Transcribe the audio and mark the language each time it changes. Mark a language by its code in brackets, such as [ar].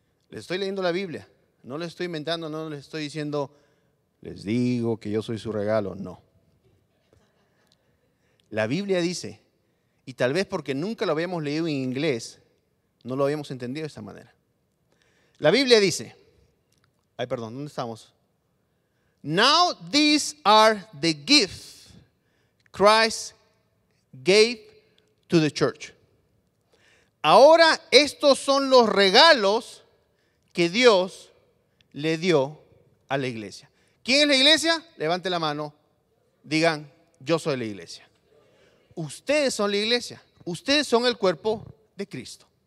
[es] Les estoy leyendo la Biblia. No les estoy inventando, no les estoy diciendo, les digo que yo soy su regalo. No. La Biblia dice, y tal vez porque nunca lo habíamos leído en inglés, no lo habíamos entendido de esta manera. La Biblia dice, ay, perdón, ¿dónde estamos? [en] Now these are the gifts Christ gave to the church. [es] Ahora estos son los regalos que Dios le dio a la iglesia. ¿Quién es la iglesia? Levante la mano, digan, yo soy la iglesia. Ustedes son la iglesia, ustedes son el cuerpo de Cristo.